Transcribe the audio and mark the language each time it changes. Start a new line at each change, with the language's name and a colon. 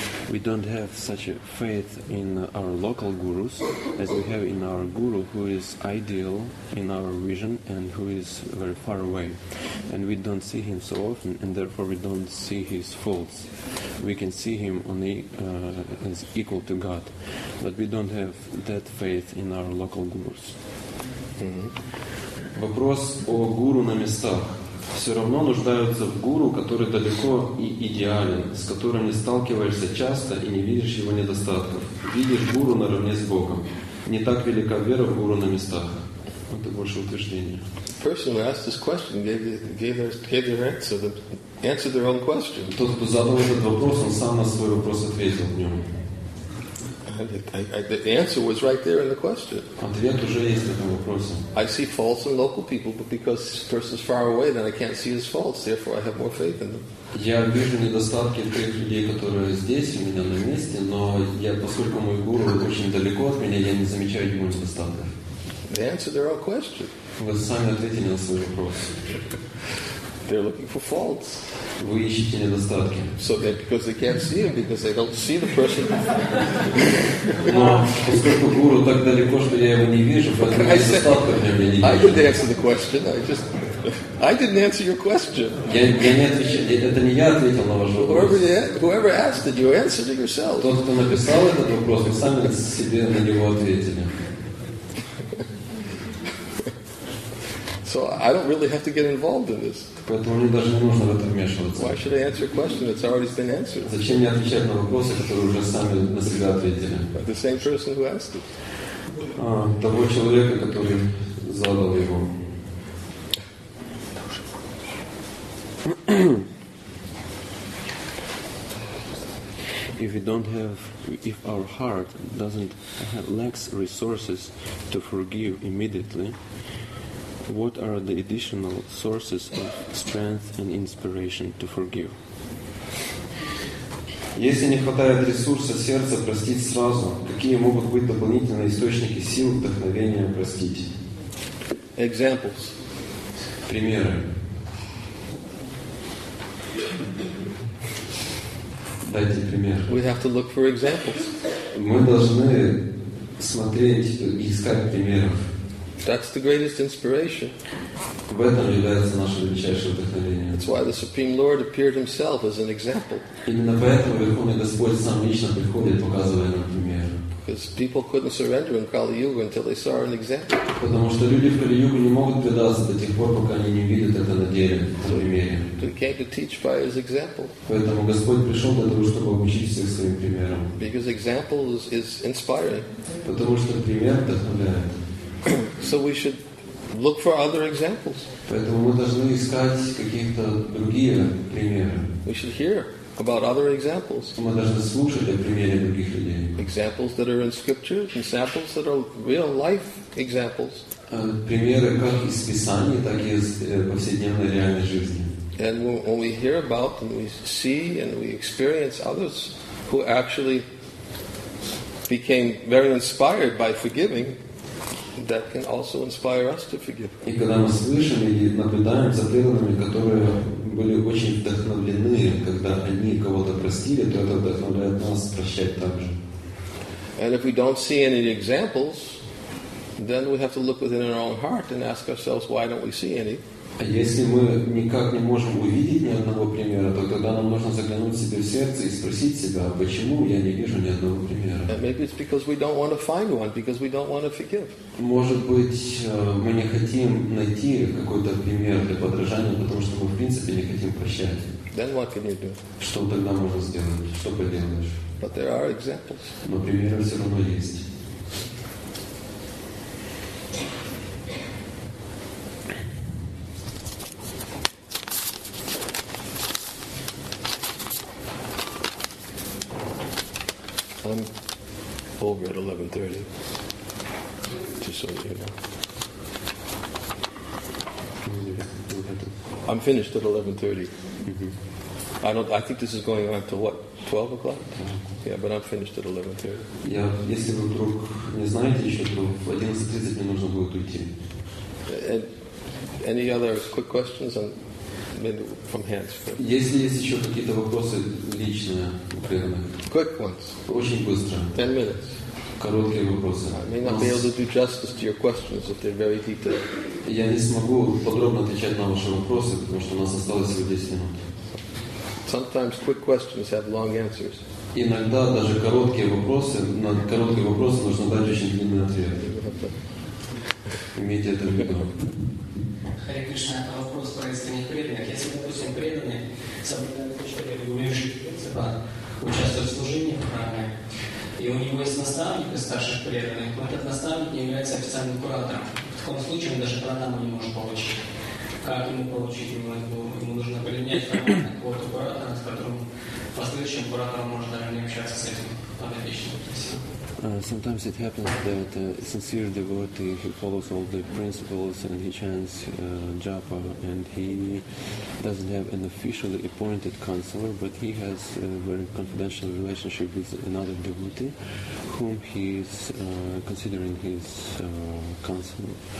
English: We don't have such a faith in our local gurus as we have in our guru who is ideal in our vision and who is very far away. And we don't see him so often, and therefore we don't see his faults. We can see him only as equal to God. But we don't have that faith in our local gurus.
Russian: Mm-hmm. Вопрос о гуру на местах. Все равно нуждаются в гуру, который далеко и идеален, с которым не сталкиваешься часто и не видишь его недостатков. Видишь гуру наравне с Богом. Не так велика вера в гуру на местах. Это больше утверждение.
English: Person who asked this question gave their answer, answered their own question.
Russian: Тот, кто задал этот вопрос, он сам на свой вопрос ответил в нем.
English: The answer was right there in the question.
Russian: Ответ уже есть в этом вопросе.
English: I see faults in local people, but because this person is far away, then I can't see his faults. Therefore, I have more faith in them.
Russian: Я вижу недостатки в тех людей, которые здесь у меня на месте, но я, поскольку мой гуру очень далеко от меня, я не замечаю его недостатков.
English: They answered their own question.
Russian: Вы сами ответили на свой вопрос.
English: They're looking for faults.
Russian: Вы ищете недостатки.
English: So that because they can't see him, because they don't see the person.
Russian: Но поскольку гуру так далеко, что я его не вижу, поэтому недостатки я не вижу.
English: I didn't answer the question. I didn't answer your question.
Russian: Я не отвечал. Это не я ответил на ваш вопрос.
English: Whoever asked it, you answered it yourself.
Russian: Тот, кто написал этот вопрос, вы сами себе на него ответили.
English: So I don't really have to get involved in this.
Russian: Поэтому мне даже не нужно в это вмешиваться.
English: Why should I answer a question that's already been answered?
Russian: Зачем мне отвечать на вопросы, которые уже сами на себя ответили?
English: But the same person who asked it.
Russian: Того человека, который задал его.
English: If we don't have, if our heart doesn't have, lacks resources to forgive immediately, what are the additional sources of strength and inspiration to forgive?
Russian: Если не хватает ресурса сердца простить сразу, какие могут быть дополнительные источники сил, вдохновения простить?
English: Examples.
Russian: Примеры. Дайте пример.
English: We have to look for examples.
Russian: Мы должны смотреть и искать примеров.
English: That's the greatest inspiration.
Russian: В этом является наше величайшее вдохновение.
English: That's why the Supreme Lord appeared himself as an example.
Russian: Именно поэтому Верховный Господь сам лично приходит, показывая нам пример.
English: Because people couldn't surrender in Kali-Yuga until they saw an example.
Russian: Потому что люди в Кали-Югу не могут предаться до тех пор, пока они не видят это на деле, на примере.
English: So he came to teach by his example.
Russian: Поэтому Господь пришел для того, чтобы обучить всех своим примером.
English: Because example is inspiring.
Russian: Потому что пример вдохновляет.
English: So we should look for other examples.
Russian: Поэтому мы должны искать какие-то другие примеры.
English: We should hear about other examples.
Russian: Мы должны слушать о примере других людей.
English: Examples that are in scriptures and samples that are real life examples.
Russian: Примеры как из Писания, так и из повседневной реальной жизни.
English: And when we hear about and we see and we experience others who actually became very inspired by forgiving, that can also inspire us to forgive.
Russian: И когда мы слышим и наблюдаем за примерами, которые были очень вдохновлены, когда они кого-то простили, то это вдохновляет нас прощать также.
English: And if we don't see any examples, then we have to look within our own heart and ask ourselves, why don't we see any?
Russian: А если мы никак не можем увидеть ни одного примера, то тогда нам нужно заглянуть себе в сердце и спросить себя, почему я не вижу ни одного примера.
English: And maybe it's because we don't want to find one, because we don't want to forgive.
Russian: Может быть, мы не хотим найти какой-то пример для подражания, потому что мы в принципе не хотим прощать.
English: Then what can you do?
Russian: Что тогда можно сделать? Что поделаешь?
English: But there are examples.
Russian: Но примеры все равно есть.
English: I'm over at 11:30. Just so you know. I'm finished at 11:30. Mm-hmm. I think this is going on to what? 12 o'clock? Mm-hmm. Yeah, but I'm finished at 11:30.
Russian: Yeah, если вы вдруг не знаете еще, то в 11:30 мне нужно будет уйти.
English: And any other quick questions? Maybe from hands.
Russian: Если есть еще какие-то вопросы личные, например.
English: Quick ones.
Russian: Очень быстро.
English: 10 minutes.
Russian: Короткие вопросы.
English: I may not be able to do justice to your questions if they're very detailed.
Russian: Я не смогу подробно отвечать на ваши вопросы, потому что у нас осталось всего 10 минут.
English: Sometimes quick questions have long answers.
Russian: Иногда даже короткие вопросы, на короткие вопросы нужно дать очень длинный ответ. Имейте это в виду. Харе Кришна, это вопрос про искренних преданных. Если, допустим, преданные соблюдают то, что я говорю, участвуют в служении в храме, и у него есть наставник из старших преданных, но этот наставник не является официальным куратором. В таком случае он даже пранаму не может получить. Как ему получить? Ему нужно принять формально какого-то куратора, с которым в последующем куратором может даже не общаться с этим подопечным.
English: Sometimes it happens that a sincere devotee, he follows all the principles and he chants japa, and he doesn't have an officially appointed counselor, but he has a very confidential relationship with another devotee whom he is considering his counselor.